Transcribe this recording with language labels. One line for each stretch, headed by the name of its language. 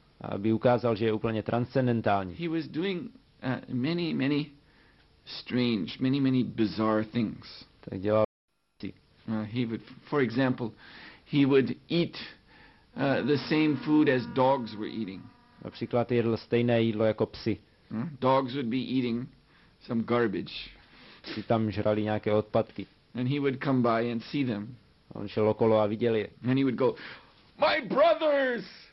Czech: Aby ukázal, že je úplně transcendentální.
English: He was doing many strange, many bizarre things.
Czech: Tak dělal
English: He would, for example, he would eat the same food as dogs were eating.
Czech: Například jedl stejné jídlo jako psi.
English: Dogs would be eating some garbage.
Czech: Psi tam žrali nějaké odpadky.
English: And he would come by and see them.
Czech: On šel okolo a viděl je.
English: And he would go, my brothers!